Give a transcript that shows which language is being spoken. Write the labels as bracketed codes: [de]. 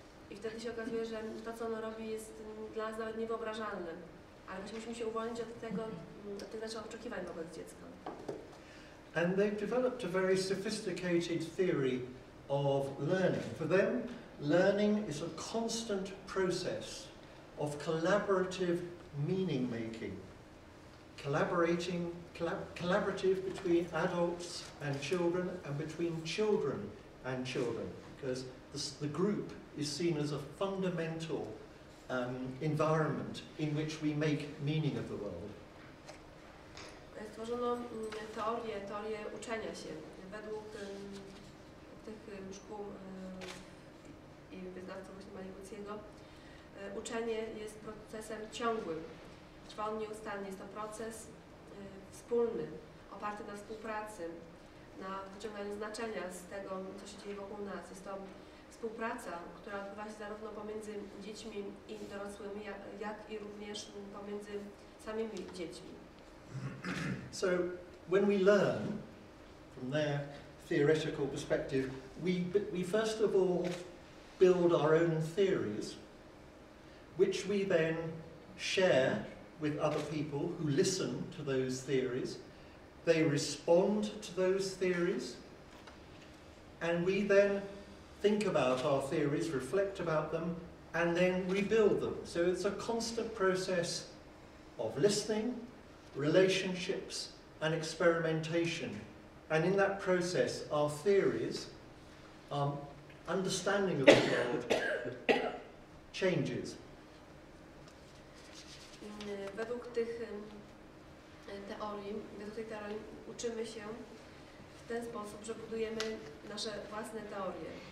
[pl] I wtedy się okazuje, że to, co ono robi, jest dla nas nawet niewyobrażalne. Ale właśnie musimy się uwolnić od tego, od tych naszych oczekiwań wobec dziecka. [en] And they've developed a very sophisticated theory of learning. For them, learning is a constant process of collaborative meaning making. Collaborative between adults and children and between children and children, because the group is seen as a fundamental environment in which we make meaning of the world. [pl] Stworzono teorię uczenia się. Według tych szkół i wyznawców właśnie Malikuciego, uczenie jest procesem ciągłym. Trwa on nieustannie. Jest to proces wspólny, oparty na współpracy, na wyciąganiu znaczenia z tego, co się dzieje wokół nas. Jest to współpraca, która odbywa się zarówno pomiędzy dziećmi i dorosłymi, jak i również pomiędzy samymi dziećmi. [en] So, when we learn from their theoretical perspective, we first of all build our own theories, which we then share with other people who listen to those theories. They respond to those theories, and we then think about our theories, reflect about them, and then rebuild them. So it's a constant process of listening, relationships and experimentation, and in that process our theories, our understanding of the world changes. [pl] Według tych teorii, uczymy się w ten sposób, że budujemy nasze własne teorie.